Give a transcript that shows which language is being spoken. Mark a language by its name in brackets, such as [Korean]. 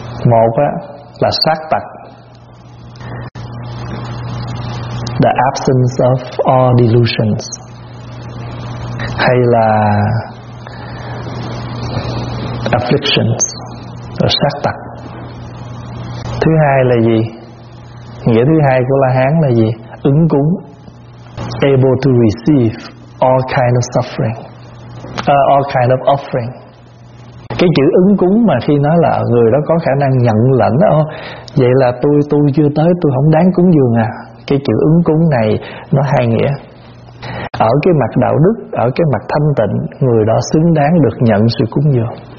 [Vietnamese] Một á là sát tặc, [English] the absence of all delusions, [Vietnamese] hay là afflictions, là sát tật. Thứ hai là gì? Nghĩa thứ hai của La Hán là gì? [English] Ứng cúng, able to receive all kind of suffering, all kind of offering. [Vietnamese] Cái chữ ứng cúng mà khi nói là người đó có khả năng nhận lãnh đó, vậy là tôi chưa tới, tôi không đáng cúng dường à. Cái chữ ứng cúng này nó hai nghĩa. Ở cái mặt đạo đức, ở cái mặt thanh tịnh, người đó xứng đáng được nhận sự cúng dường.